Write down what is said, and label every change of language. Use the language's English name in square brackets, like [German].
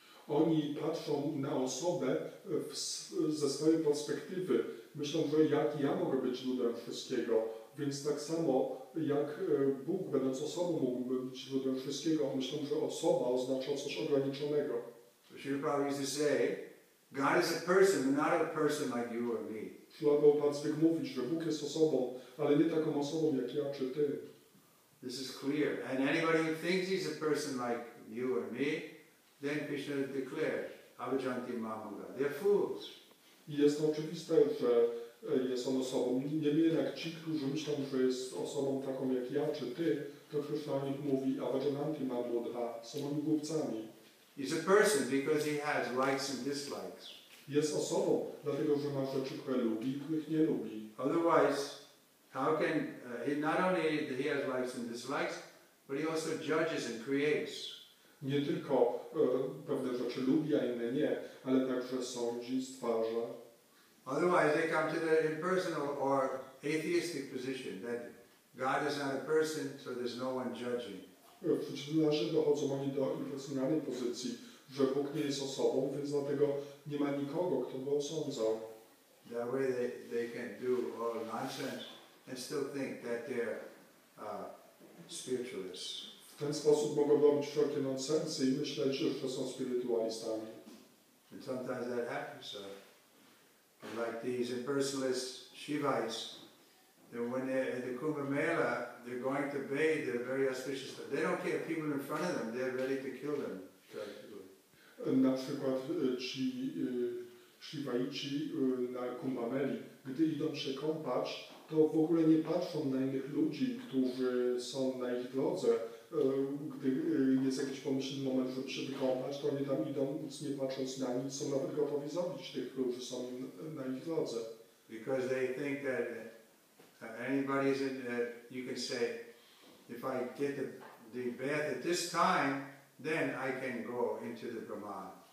[Polish] Oni patrzą na osobę ze swojej perspektywy. Myślą, że jak ja mogę być źródłem wszystkiego. Więc tak samo jak Bóg, będąc osobą, mógłby być źródłem wszystkiego. Myślą, że osoba oznacza coś ograniczonego. [English] Srila Prabhupada used to say, God is a person, but not a person like you or me. [Polish] Srila Prabhupada zwykł mówić, że Bóg jest osobą, ale nie taką osobą jak ja czy ty. [English] This is clear. And anybody who thinks he's a person like you or me, then Krishna declared, [Sanskrit] Avajanti Mahamanga. [English] They are fools. [Polish] Jest oczywiste, że jest on osobą. Niemniej jednak ci, którzy myślą, że jest osobą taką jak ja czy ty, to Krishna o nich mówi, [Sanskrit] Avajanti Mahamanga. [Polish] Są oni głupcami. [English] He's a person because he has likes and dislikes. [Polish] Jest osobą, dlatego że ma rzeczy, które lubi i których nie lubi. [English] Otherwise, How can he not only that he has likes and dislikes, but he also judges and creates. [Polish] Nie tylko pewne rzeczy lubi, a inne nie, ale także sądzi, stwarza. [English] Otherwise they come to the impersonal or atheistic position that God is not a person, so there's no one judging. [Polish] Przeciwnie dochodzą oni do impersonalnej pozycji, że Bóg nie jest osobą, więc dlatego nie ma nikogo, kto go osądzał. [English] That way they can do all nonsense and still think that they're spiritualists. [Polish] W ten sposób mogą robić wszelkie nonsensy i myśleć, że są spiritualistami. [English] And sometimes that happens. And like these impersonalist Shivites, then when they're at the Kumbh Mela, they're going to bathe, they're very auspicious. They don't care people in front of them, they're ready to kill them. [Polish] Na przykład ci Shivaici na Kumbh Meli, gdy idą się kąpać, to w ogóle nie patrzą na innych ludzi, którzy są na ich drodze. Gdy jest jakiś pomyślny moment, żeby się wykąpać, to oni tam idą, nic nie patrząc na nic, są nawet gotowi zabić tych, którzy są na ich drodze. [English] Because they think that anybody is in that you can say, if I get the bath at this time, then I can go into the Brahman.